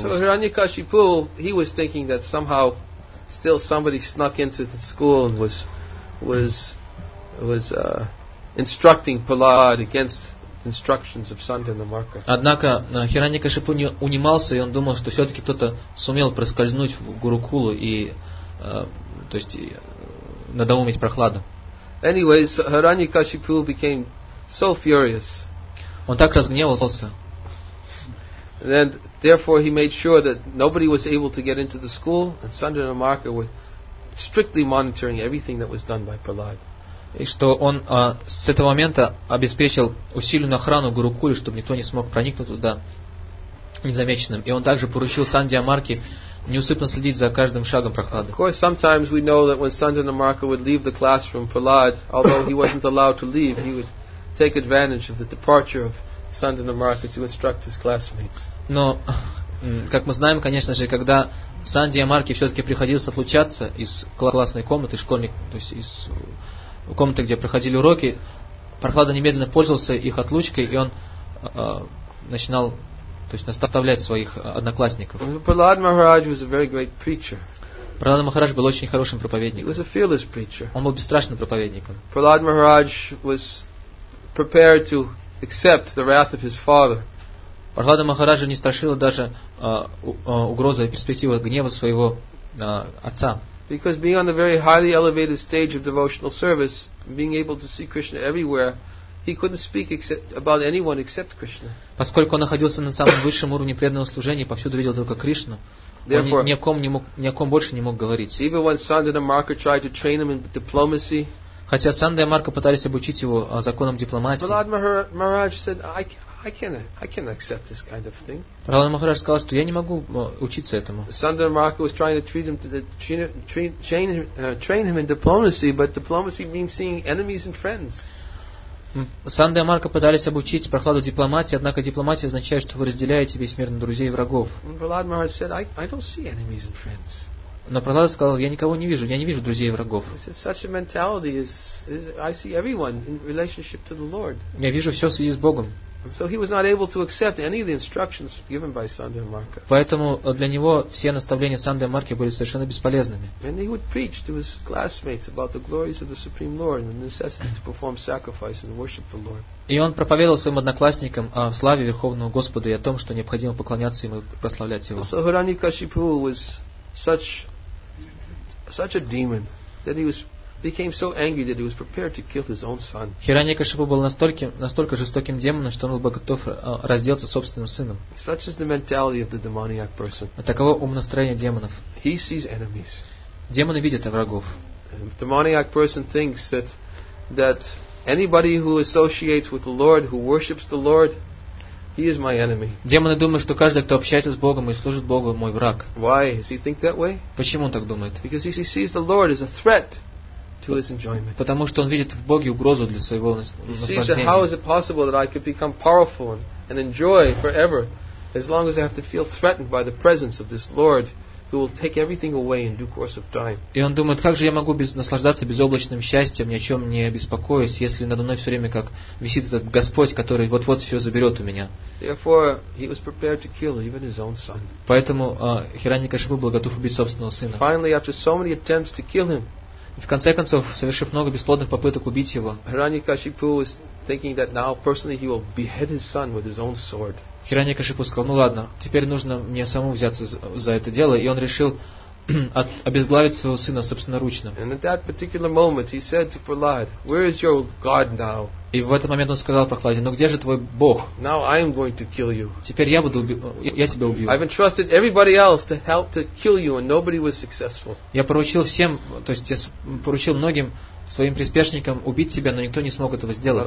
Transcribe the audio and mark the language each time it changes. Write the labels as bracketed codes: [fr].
[ru] уст. [en] So Hiranyakashipu, he was thinking that somehow still somebody snuck into the school and was instructing Prahlad against instructions of Sandhya Marga. [ru] Однако Хираньякашипу не унимался, и он думал, что все-таки кто-то сумел проскользнуть в Гурукулу и, то есть, надоумить Прахлада. [en] Anyways, Hiranyakashipu became so furious. [ru] Он так разгневался. [en] And therefore, he made sure that nobody was able to get into the school, and Sandhya Marga was strictly monitoring everything that was done by Prahlad. [ru] И что он с этого момента обеспечил усиленную охрану Гурукули, чтобы никто не смог проникнуть туда незамеченным. И он также поручил Сандья Марке неусыпно следить за каждым шагом Прахлады. [en] Of course, sometimes we know that when Sandhya Marke would leave the classroom, Prahlad, although he wasn't allowed to leave, he would take advantage of the departure of Sandhya Marke to instruct his classmates. [ru] Но, как мы знаем, конечно же, когда Сандья Марке все-таки приходилось отлучаться из классной комнаты, школьник, то есть из комнаты, где проходили уроки, Прахлада немедленно пользовался их отлучкой, и он начинал, то есть, наставлять своих одноклассников. [en] Prahlad Maharaj was a very great preacher. [ru] Prahlad Maharaj был очень хорошим проповедником. [en] He was a fearless preacher. [ru] Он был бесстрашным проповедником. [en] Prahlad Maharaj was prepared to accept the wrath of his father. [ru] Прахлада Махараджа не страшила даже угроза и перспектива гнева своего отца. [en] Because being on the very highly elevated stage of devotional service, being able to see Krishna everywhere, he couldn't speak except about anyone except Krishna. [ru] Поскольку он находился на самом высшем уровне преданного служения, повсюду видел только Кришну, он ни о ком больше не мог говорить. [en] Even when Sandhya Marka tried to train him in diplomacy, [ru] хотя Сандхья Марка пытались обучить его законам дипломатии, [en] Prahlad Maharaj said, I can't accept this kind of thing. [ru] Prahlad Maharaj сказал, что я не могу учиться этому. [en] Sandhya Marka was trying to train him in diplomacy, but diplomacy means seeing enemies and friends. [ru] Sandhya Marka пытались обучить Прахладу дипломатии, однако дипломатия означает, что вы разделяете весь мир на друзей и врагов. [en] Prahlad Maharaj said, I don't see enemies and friends. [ru] Но Прахлад сказал, я никого не вижу, я не вижу друзей и врагов. [en] Such a mentality is I see everyone in relationship to the Lord. [ru] Я вижу все в связи с Богом. [en] So he was not able to accept any of the instructions given by Sandhya Marka. [ru] Поэтому для него все наставления Сандхья Марки были совершенно бесполезными. [en] And he would preach to his classmates about the glories of the Supreme Lord and the necessity to perform sacrifice and worship the Lord. [ru] И он проповедовал своим одноклассникам о славе Верховного Господа и о том, что необходимо поклоняться ему и прославлять его. [en] So Hiranyakashipu was such a demon that he was became so angry that he was prepared to kill his own son. [ru] Хираньякашипу был настолько жестоким демоном, что он был готов разделаться с собственным сыном. [en] Such is the mentality of the demoniac person. [ru] Таково умонастроение демонов. [en] He sees enemies. [ru] Демоны видят врагов. [en] The demoniac person thinks that anybody who associates with the Lord, who worships the Lord, he is my enemy. [ru] Демоны думают, что каждый, кто общается с Богом и служит Богу, мой враг. [en] Why does he think that way? [ru] Почему он так думает? [en] Because he sees the Lord as a threat. To his enjoyment. [ru] Потому что он видит в Боге угрозу для своего наслаждения. [en] He sees how is it possible that I could become powerful and enjoy forever, as long as I have to feel threatened by the presence of this Lord, who will take everything away in due course of time. [ru] И он думает, как же я могу наслаждаться безоблачным счастьем, ни о чем не беспокоясь, если надо мной все время как висит этот Господь, который вот-вот все заберет у меня. [en] Therefore, he was prepared to kill even his own son. [ru] Поэтому Хираньякашипу был готов убить собственного сына. [en] Finally, after so many attempts to kill him, [ru] в конце концов, совершив много бесплодных попыток убить его, [en] Хираньякашипу was thinking that now personally he will behead his son with his own sword. [ru] Хираньякашипу сказал, ну ладно, теперь нужно мне саму взяться за это дело, и он решил обезглавить своего сына собственноручно. [en] And at that particular moment he said to Prahlad, where is your God now? [ru] И в этот момент он сказал Прохладе, ну где же твой Бог? [en] Now I am going to kill you. [ru] Теперь я тебя убью. [en] I've entrusted everybody else to help to kill you, and nobody was successful. [ru] Я поручил всем, то есть я поручил многим своим приспешникам убить тебя, но никто не смог этого сделать.